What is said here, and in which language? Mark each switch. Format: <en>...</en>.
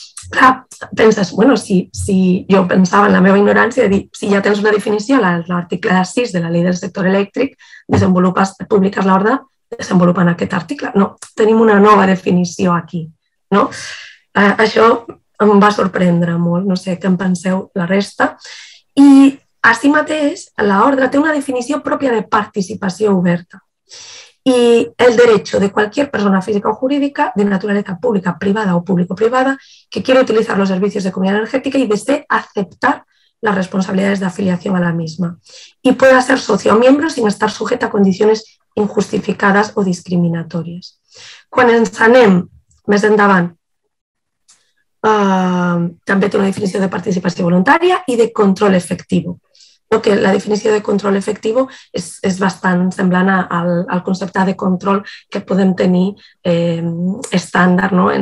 <ca>Clar, penses, bueno, si jo pensava en la meva ignorància, dir, si ja tens una definició, l'article 6 de la llei del sector elèctric, desenvolupes, publiques l'ordre desenvolupant aquest article. No, tenim una nova definició aquí, no? Això em va sorprendre molt, no sé què en penseu la resta. I, així mateix, l'ordre té una definició pròpia de participació oberta.</ca> <es>Y el derecho de cualquier persona física o jurídica de naturaleza pública, privada o público-privada que quiera utilizar los servicios de comunidad energética y desee aceptar las responsabilidades de afiliación a la misma y pueda ser socio o miembro sin estar sujeta a condiciones injustificadas o discriminatorias.</es> <ca>Quan ens anem més endavant, també té una definició de participació voluntària i de control efectiu. Que la definició de control efectiu és bastant semblant al concepte de control que podem tenir estàndard, no?</ca>